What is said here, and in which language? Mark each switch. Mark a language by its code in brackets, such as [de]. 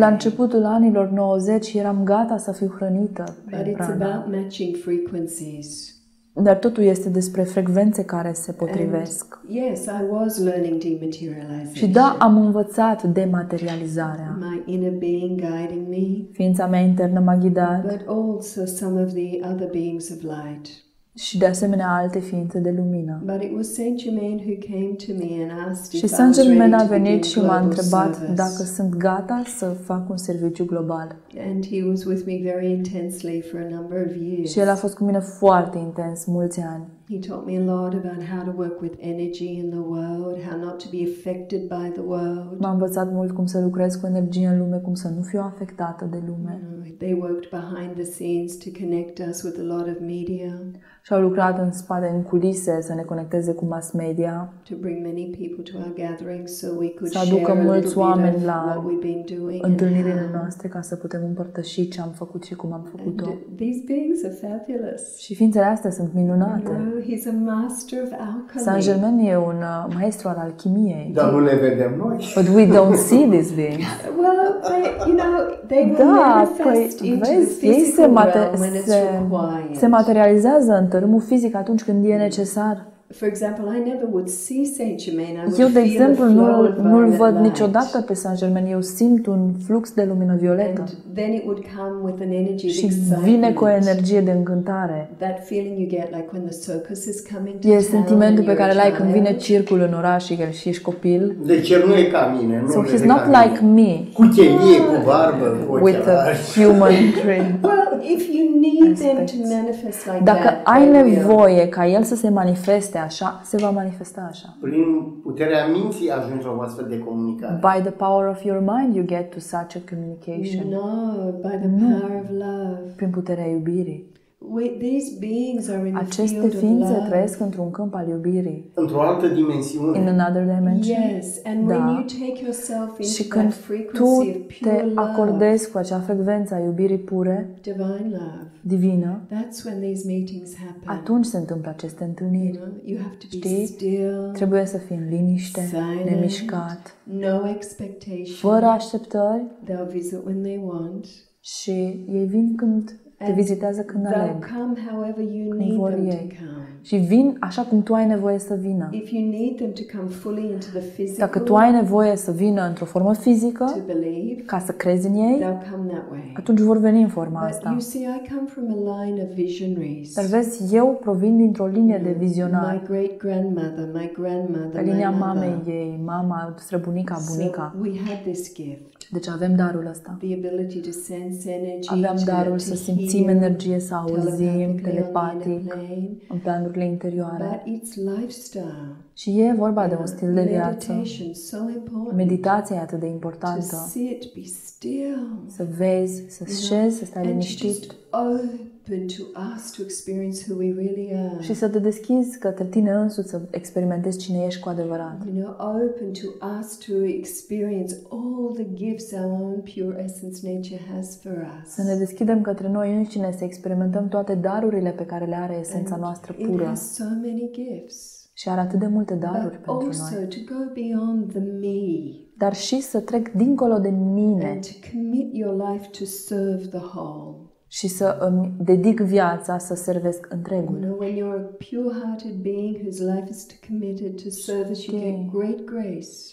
[ro] La începutul anilor 90 eram gata să fiu hrănită. [en] But it's about matching frequencies. [ro] Dar totul este despre frecvențe care se potrivesc. [en] And, yes, I was learning dematerialization. [ro] Și da, am învățat dematerializarea. [en] My inner being guiding me. [ro] Ființa mea internă m-a ghidat. [en] But also some of the other beings of light. [ro] Și de asemenea alte ființe de lumină. [en] But it was Saint-Germain who came to me and asked. [ro] Și Saint-Germain a venit și m-a întrebat dacă sunt gata să fac un serviciu global. [en] And he was with me very intensely for a number of years. [ro] Și el a fost cu mine foarte intens mulți ani. [en] He taught me a lot about how to work with energy in the world, how not to be affected by the world. [ro] M-a învățat mult cum să lucrez cu energie în lume, cum să nu fiu afectată de lume. [en] They worked behind the scenes to connect us with a lot of media. [ro] Și au lucrat în spate, în culise, să ne conecteze cu mass media. [en] To bring many people to our gatherings so we could share. [ro] Să aducă mulți oameni la întâlnirile noastre ca să putem împărtăși ce am făcut și cum am făcut-o. [en] These beings are fabulous. [ro] Și ființele astea sunt minunate. [en] He's a master of alchemy. [ro] Saint-Germain e un maestru al alchimiei. Dar nu le vedem noi. [en] But we don't see these beings. Well, they manifest into the physical realm when it's required. [ro] Se materializează în tărâmul fizic atunci când e necesar. [en] For example, I never would see Saint-Germain. [ro] Eu, de exemplu, nu-l văd niciodată pe Saint-Germain. Eu simt un flux de lumină violetă. [en] Then it would come with an energy of excitement. [ro] Și vine cu o energie de încântare. [en] That feeling you get like when the circus is coming to town. [ro] E sentimentul pe care l-ai când vine circul în oraș și ești copil. Deci el nu e ca mine, nu. [en] So he's not like me. [ro] Cu chelie, cu barbă, cu [en] human trim. If you need them to manifest like that. [ro] Dacă ai nevoie ca el să se manifeste așa, se va manifesta așa. Prin puterea minții ajungi la o astfel de comunicare. [en] By the power of your mind you get to such a communication. No, by the power of love. [ro] Prin puterea iubirii. [en] Wait, these beings are in [ro] aceste ființe trăiesc într-un câmp al iubirii. Într-o altă dimensiune. [en] In another dimension. Yes, and [ro] da. [en] When you take yourself into [ro] și când [en] that frequency of pure love, [ro] te acordezi cu acea frecvență a iubirii pure, [en] divine love, [ro] divină, [en] that's when these meetings happen. [ro] Atunci se întâmplă aceste întâlniri. [en] You have to be still, [ro] trebuie să fii în liniște, [en] silent, [ro] nemișcat, [en] no expectation, [ro] fără așteptări. [en] They'll visit when they want. [ro] Și ei vin când Te vizitează când aleg. [en] Come however you need them to come. [ro] Și vin așa cum tu ai nevoie să vină. [en] If you need them to come fully into the physical, [ro] dacă tu ai nevoie să vină într-o formă fizică, [en] to believe, [ro] ca să crezi în ei, [en] they'll come that way. [ro] Atunci vor veni în forma asta. [en] But you see, I come from a line of visionaries. [ro] Dar vezi, eu provin dintr-o linie de vizionari. [en] My great-grandmother, my grandmother, [ro] linia mamei ei, mama, străbunica, bunica. [en] So we had this gift. [ro] Deci avem darul ăsta. [en] The ability to sense energy. [ro] Avem darul să simțim energie, să auzim telepatic, în planurile interioare. [en] But it's lifestyle. [ro] Și e vorba de un stil de viață. Meditația e atât de importantă. [en] To sit, be still. [ro] Să vezi, să șezi, să stai liniștit. [en] Open to us to experience who we really are. [ro] Și să te deschizi către tine însuți să experimentezi cine ești cu adevărat. [en] You know, open to us to experience all the gifts our own pure essence nature has for us. [ro] Să ne deschidem către noi înșine să experimentăm toate darurile pe care le are esența noastră pură. [en] And it has so many gifts. [ro] Și are atât de multe daruri [en] But [ro] pentru [en] also, [ro] noi. [en] To go beyond the me. [ro] Dar și să trec dincolo de mine. [en] And to commit your life to serve the whole. [ro] Și să îmi dedic viața să servesc întregul. [en] You know, when you're a pure-hearted being whose life is committed to service, you get great grace.